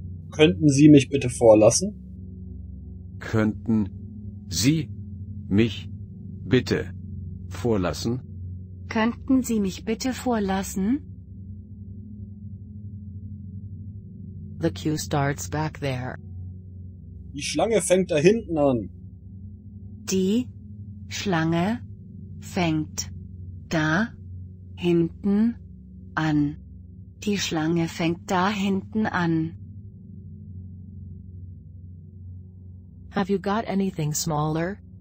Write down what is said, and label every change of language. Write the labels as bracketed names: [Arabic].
[German] Könnten Sie mich bitte vorlassen? Könnten Sie mich bitte vorlassen? Könnten Sie mich bitte vorlassen? [English] The queue starts back there. [German] Die Schlange fängt da hinten an. Die Schlange fängt da hinten an. Die Schlange fängt da hinten an. [English] Have you got anything smaller?